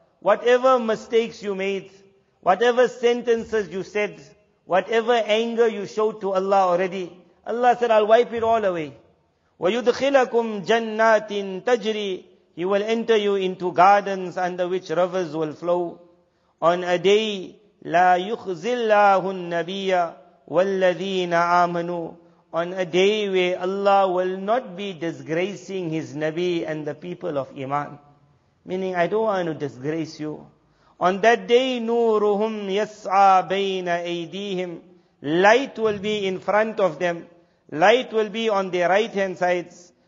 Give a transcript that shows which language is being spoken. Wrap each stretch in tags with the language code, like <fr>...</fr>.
<en>Whatever mistakes you made, whatever sentences you said, whatever anger you showed to Allah already, Allah said, I'll wipe it all away.</en> <ar>Wa yudkhilakum jannatin tajri.</ar> <en>He will enter you into gardens under which rivers will flow. On a day,</en> <ar>لا يخزي الله النبي والذين آمنوا.</ar> <en>On a day where Allah will not be disgracing His Nabi and the people of Iman. Meaning, I don't want to disgrace you. On that day,</en> <ar>Nuruhum Yas'a Bayna Aydihim,</ar> <en>light will be in front of them, light will be on their right hand sides.</en>